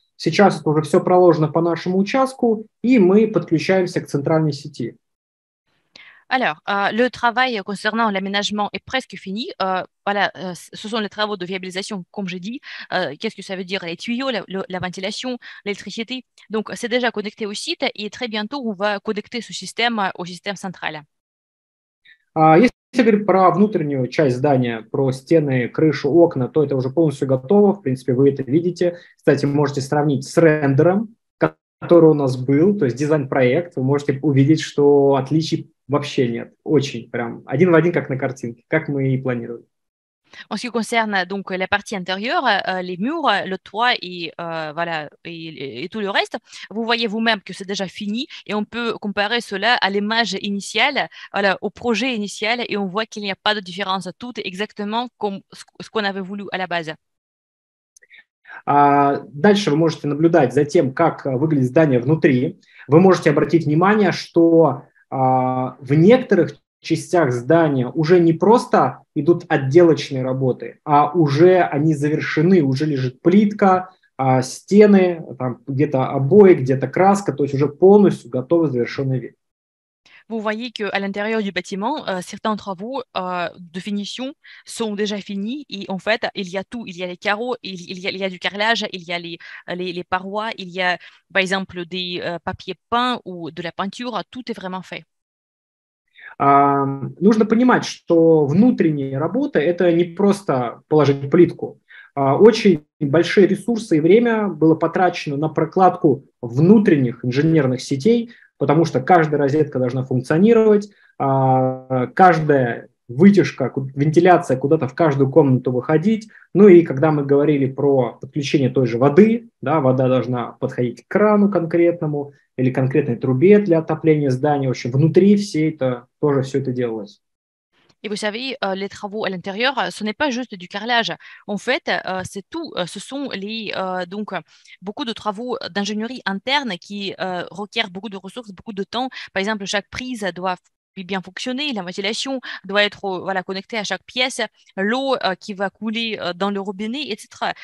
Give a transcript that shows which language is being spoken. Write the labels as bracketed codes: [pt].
[ru] Сейчас это уже все проложено по нашему участку, и мы подключаемся к центральной сети. [fr] Alors, le travail concernant l'aménagement est presque fini. Voilà, ce sont les travaux de viabilisation, comme j'ai dit. Qu'est-ce que ça veut dire? Les tuyaux, la ventilation, l'électricité. Donc, c'est déjà connecté au site et très bientôt, on va connecter ce système au système central. [ru] Если говорить про внутреннюю часть здания, про стены, крышу, окна, то это уже полностью готово. В принципе, вы это видите. Кстати, можете сравнить с рендером, который у нас был, то есть дизайн-проект. Вы можете увидеть, что отличий вообще нет, очень, прям один в один, как на картинке, как мы и планировали. [fr] En ce qui concerne donc la partie intérieure, les murs, le toit et voilà et tout le reste, vous voyez vous-même que c'est déjà fini et on peut comparer cela à l'image initiale, voilà, au projet initial et on voit qu'il n'y a pas de différence, tout exactement comme ce qu'on avait voulu à la base. [ru] Дальше вы можете наблюдать за тем, как выглядит здание внутри. Вы можете обратить внимание, что в некоторых частях здания уже не просто идут отделочные работы, а уже они завершены, уже лежит плитка, стены, там где-то обои, где-то краска, то есть уже полностью готовый завершенный вид. [fr] Vous voyez qu'à l'intérieur du bâtiment, certains travaux de finition sont déjà finis. Et en fait, il y a tout. Il y a les carreaux, il y a du carrelage, il y a les parois, il y a, par exemple, des papiers peints ou de la peinture. Tout est vraiment fait. [ru] Нужно понимать, что внутренняя работа – это не просто положить плитку. Очень большие ресурсы и время было потрачено на прокладку внутренних инженерных сетей, потому что каждая розетка должна функционировать, каждая вытяжка, вентиляция куда-то в каждую комнату выходить. Ну и когда мы говорили про подключение той же воды, да, вода должна подходить к крану конкретному или конкретной трубе для отопления здания. В общем, внутри все это, тоже все это делалось. [fr] Et vous savez, les travaux à l'intérieur, ce n'est pas juste du carrelage. En fait, c'est tout. Ce sont les, donc, beaucoup de travaux d'ingénierie interne qui requièrent beaucoup de ressources, beaucoup de temps. Par exemple, chaque prise doit bien fonctionner, la ventilation doit être voilà, connectée à chaque pièce, l'eau qui va couler dans le robinet, etc.